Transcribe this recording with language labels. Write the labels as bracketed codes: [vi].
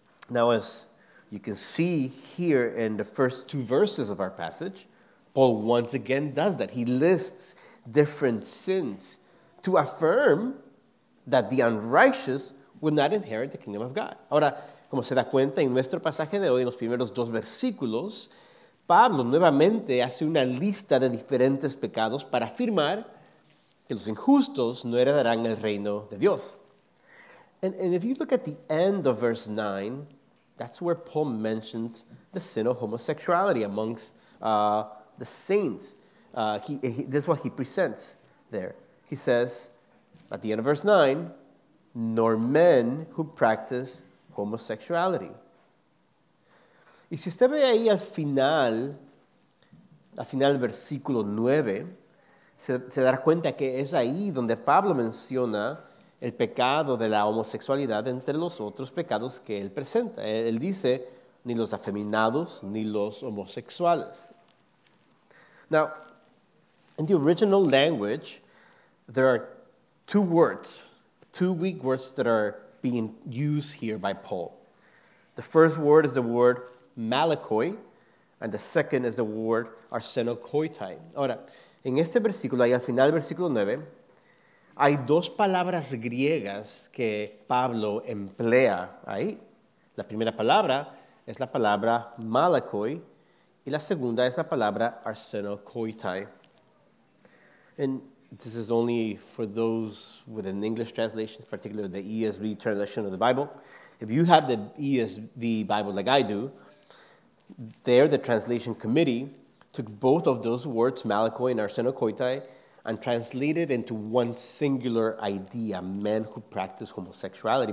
[en] Now, as you can see here in the first two verses of our passage, Paul once again does that. He lists different sins to affirm that the unrighteous will not inherit the kingdom of God. [es] Ahora, como se da cuenta en nuestro pasaje de hoy, en los primeros dos versículos, Pablo nuevamente hace una lista de diferentes pecados para afirmar que los injustos no heredarán el reino de Dios. [en] And if you look at the end of verse 9, that's where Paul mentions the sin of homosexuality amongst the saints. This is what he presents there. He says, at the end of verse 9, "nor men who practice homosexuality." [es] Y si usted ve ahí al final al final del versículo 9, se dará cuenta que es ahí donde Pablo menciona el pecado de la homosexualidad entre los otros pecados que él presenta. Él dice, ni los afeminados ni los homosexuales. [en] Now, in the original language, there are two words, two Greek words that are being used here by Paul. The first word is the word malakoi, and the second is the word arsenokoitai. [es] Ahora, en este versículo, ahí al final del versículo 9, hay dos palabras griegas que Pablo emplea ahí. La primera palabra es la palabra malakoi, y la segunda es la palabra arsenokoitai. [en] And this is only for those with an English translation, particularly the ESV translation of the Bible. If you have the ESV Bible like I do, there the translation committee took both of those words, malakoi and arsenokoitai, and translated into one singular idea, men who practice homosexuality.